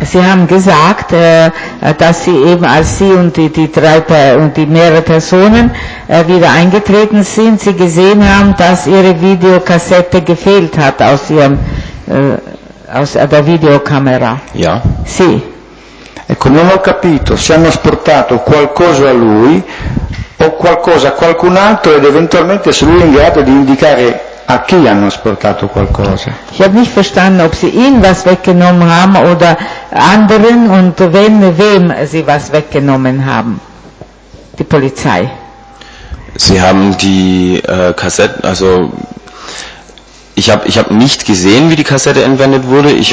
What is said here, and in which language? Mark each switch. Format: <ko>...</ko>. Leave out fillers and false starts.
<de>Sie haben gesagt, dass sie eben als sie und die mehrere Personen wieder eingetreten sind, sie gesehen haben, dass ihre Videokassette gefehlt hat aus ihrem aus der Videokamera. Ja.</de> <it>Sì. Ecco, non ho capito se hanno asportato qualcosa a lui o qualcosa a qualcun altro ed eventualmente se lui è in grado di indicare a chi hanno asportato qualcosa.</it> <de>Ich habe nicht verstanden, ob sie ihm was weggenommen haben oder anderen und wenn, wem sie was weggenommen haben. Die Polizei. Sie haben die Kassetten, also ich hab nicht gesehen, wie die Kassette entwendet wurde.</de>